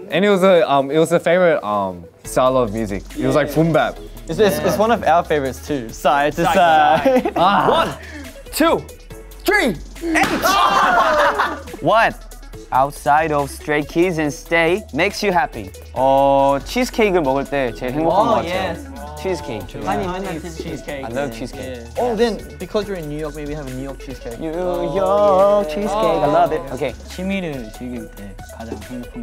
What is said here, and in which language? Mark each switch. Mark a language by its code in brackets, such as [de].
[en] And it was a favorite style of music. It was like boom bap. It's one of our favorites too. Side to side. One, two, three, and what? Outside of Stray Kids and Stay makes you happy. [ko] 치즈케이크를 먹을 때 제일 행복한 것 같아요. [en] Yes. Cheesecake. Honey, cheesecake. I love cheesecake. Yeah. Oh, then because you're in New York, maybe have a New York cheesecake. New York cheesecake. Oh. I love it. Okay. [ko] 취미를 즐길 때 가장 행복한